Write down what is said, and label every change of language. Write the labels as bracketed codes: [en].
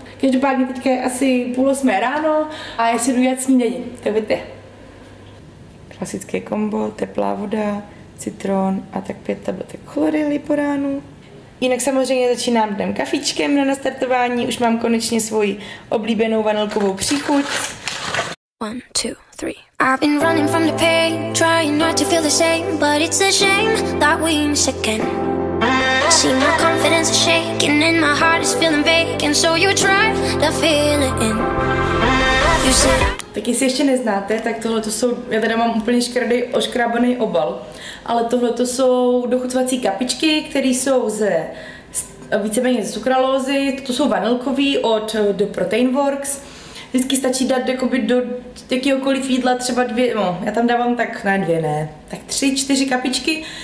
[cs] Každopádně teďka je asi 7:30 ráno a já si jdu jít snídaní, tak vidíte. Klasické kombo, teplá voda, citron a tak 5 tabletek chlorely po ránu. Jinak samozřejmě začínám dnem kafičkem na nastartování, už mám konečně svoji oblíbenou vanilkovou příchuť. 1, 2, 3. [en] I've been running from the pain, trying not to feel the same, but it's a shame that we miss again. See my confidence shaking and my heart is feeling vacant, so you try to fill it in. You said... [cs] Tak jestli ještě neznáte, tak tohle to jsou, já teda mám úplně škrdý oškrábaný obal, ale tohle to jsou dochucovací kapičky, které jsou víceméně ze sukralózy, to jsou vanilkový od The Protein Works. Vždycky stačí dát do jakéhokoliv jídla třeba 2, no já tam dávám tak, ne 2 ne, tak 3-4 kapičky.